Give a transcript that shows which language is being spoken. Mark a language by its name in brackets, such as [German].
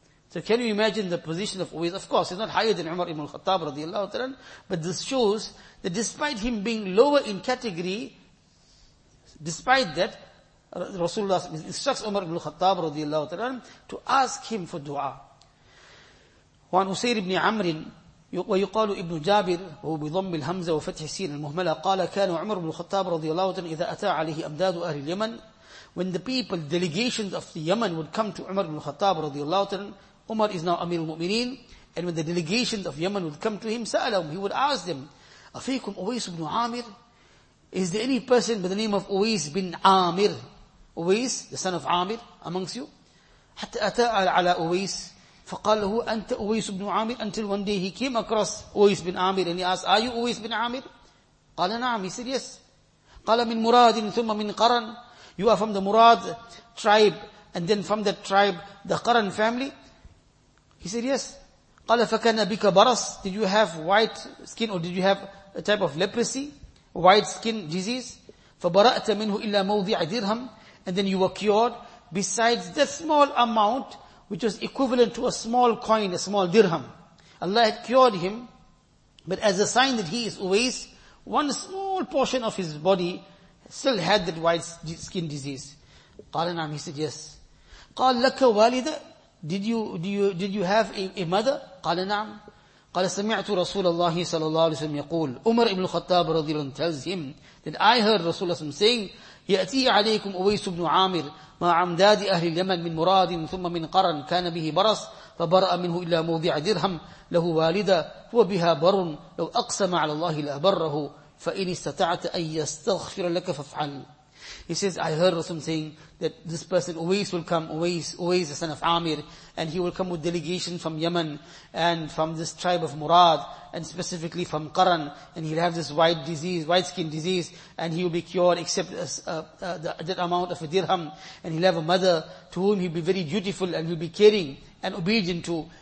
[English] So can you imagine the position of Uwais? Of course, he's not higher than Umar ibn al-Khattab radiallahu ta'ala, but this shows that despite him being lower in category, despite that, Rasulullah instructs Umar ibn al-Khattab radiallahu ta'ala to ask him for dua. [Arabic] وعن أسير بن عمر ويقال ابن جابر وهو بضم الهمزة وفتح السين المهملة قال كان عمر بن الخطاب رضي الله عنه إذا أتى عليه أمداد أهل اليمن. [English] When the people, delegations of the Yemen would come to Umar ibn al-Khattab رضي الله عنه, Umar is now Amir al-Mu'mineen, and when the delegations of Yemen would come to him, [Arabic] سألهم, [English] he would ask them, [Arabic] أفيكم أويس بن عامر? [English] Is there any person by the name of Uwais bin Amir? Uwais, the son of Amir, amongst you? [Arabic] حتى أتى على Uwais, فقال له, أنت Uwais بن عامر? [English] Until one day he came across Uwais bin Amir, and he asked, are you Uwais bin Amir? [Arabic] قال نعم, [English] he said yes. [Arabic] قال من مراد ثم من قرن, [English] you are from the Murad tribe, and then from that tribe, the Qaran family. He said, yes. [Arabic] قَالَ فَكَانَ بِكَ بَرَصْ, [English] did you have white skin or did you have a type of leprosy? White skin disease? [Arabic] فَبَرَأْتَ مِنْهُ إِلَّا مَوْضِعَ دِرْهَمْ, [English] and then you were cured besides that small amount which was equivalent to a small coin, a small dirham. Allah had cured him, but as a sign that he is Uwais, one small portion of his body still had that white skin disease. [Arabic] قَالَ نَعْمِ, [English] he said, yes. [Arabic] قَالَ لَكَ وَالِدَ, [English] Did you have a mother? [Arabic] قال نعم. قال سمعت رسول الله صلى الله عليه وسلم يقول. Umar ibn al-Khattab رضي الله عنه [English] tells him that I heard Rasulullah [Arabic] صلى الله عليه وسلم [English] saying, [Arabic] يأتي عليكم أويس بن عامر مع عمداد أهل اليمن من مراد ثم من قرن كان به برص فبرأ منه إلا موضع درهم له والدة هو بها بر لو أقسم على الله لأبره فإن استطعت أن يستغفر لك فافعل. [English] He says, I heard Rasul saying that this person, Uwais will come, Uwais, the son of Amir, and he will come with delegation from Yemen and from this tribe of Murad, and specifically from Qaran, and he'll have this white disease, white skin disease, and he will be cured except that amount of a dirham, and he'll have a mother to whom he'll be very dutiful and he'll be caring and obedient to.